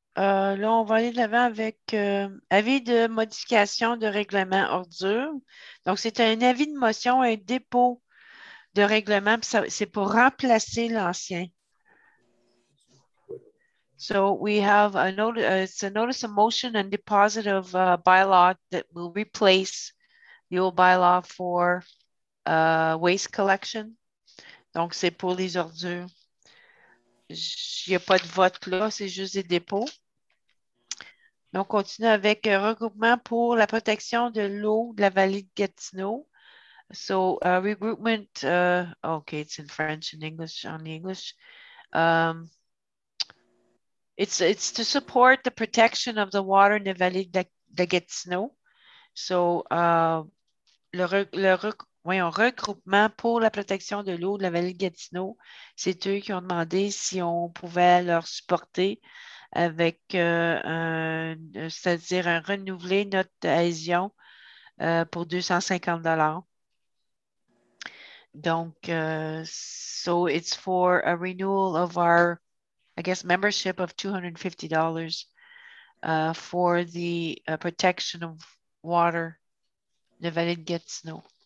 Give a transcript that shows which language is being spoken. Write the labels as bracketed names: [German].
[French] Là, on va aller de l'avant avec avis de modification de règlement ordure. Donc, c'est un avis de motion, un dépôt de règlement. Ça, c'est pour remplacer l'ancien. [English] So, we have a notice, it's a notice of motion and deposit of a bylaw that will replace the old bylaw for waste collection. [French] Donc, c'est pour les ordures. Il n'y a pas de vote là, c'est juste des dépôts. Donc, on continue avec un regroupement pour la protection de l'eau de la vallée de Gatineau. [English] So, regroupement, it's in French and English, on English. It's to support the protection of the water in the vallée de Gatineau. [French] So, regroupement pour la protection de l'eau de la vallée de Gatineau. C'est eux qui ont demandé si on pouvait leur supporter avec, c'est-à-dire un renouveler notre adhésion pour $250. [English] Donc, so it's for a renewal of our, I guess, membership of $250 for the protection of water, la vallée de Gatineau.